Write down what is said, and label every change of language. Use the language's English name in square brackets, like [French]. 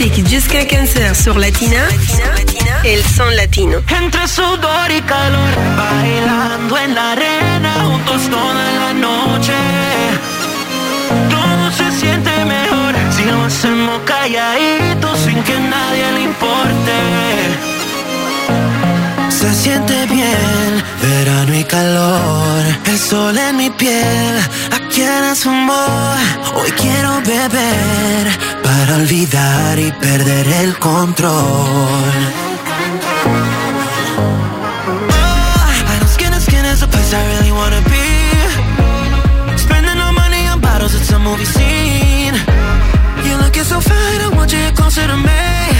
[French] Jusqu'à 15h sur Latina, [Spanish] el son latino. Entre sudor y calor, bailando en la arena, juntos toda la noche. Todo se siente mejor si lo hacemos calladito, sin que nadie le importe. Se siente bien, verano y calor, el sol en mi piel, aquí en Asumbo. Hoy quiero beber para olvidar y perder el control. [English] Oh, I don't skin to skin, it's a place I really wanna be. Spending no money on bottles, it's a movie scene. You look so fine, I want you closer to me.